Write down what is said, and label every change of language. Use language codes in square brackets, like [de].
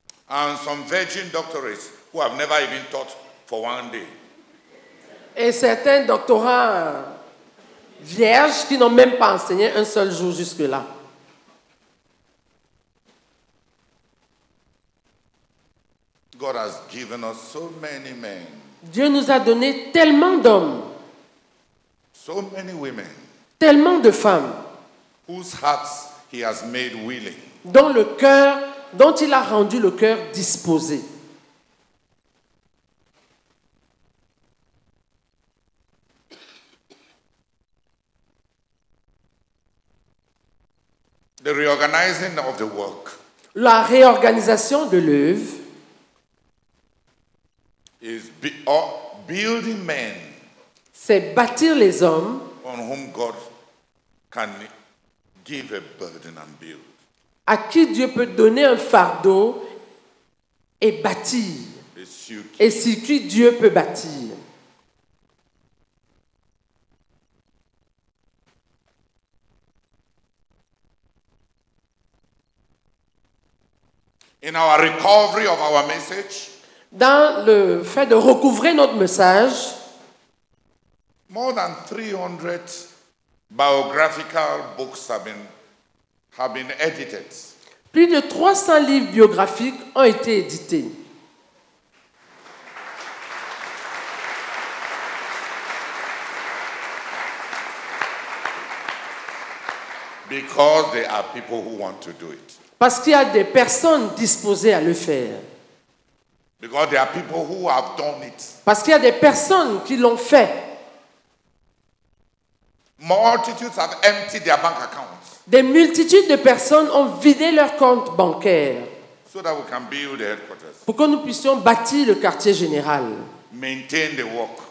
[en] And some virgin doctorates who have never even taught for one day. [fr] Et certains doctorats vierges qui n'ont même pas enseigné un seul jour jusque-là. [en] God has given us so many men. [fr] Dieu nous a donné tellement d'hommes. [en] So many women. [fr] Tellement de femmes. [en] Whose hearts he has made willing. [fr] Dont il a rendu le cœur disposé. [en] The reorganizing of the work. [fr] La réorganisation de l'œuvre [en] is building men. [fr] C'est bâtir les hommes [en] on whom God can give a burden and build. [fr] À qui Dieu peut donner un fardeau et bâtir. Et sur qui Dieu peut bâtir. [en] In our recovery of our message, [fr] dans le fait de recouvrer notre message, [en] more than 300 biographical books have been edited. [fr] Plus de 300 livres biographiques ont été édités. [en] Because there are people who want to do it. [fr] Parce qu'il y a des personnes disposées à le faire. [en] Because there are people who have done it. [fr] Parce qu'il y a des personnes qui l'ont fait. [en] Multitudes have emptied their bank accounts. [fr] Des multitudes de personnes ont vidé leurs comptes bancaires [en] so that we can build the headquarters. [fr] Pour que nous puissions bâtir le quartier général. [en] Maintain the work.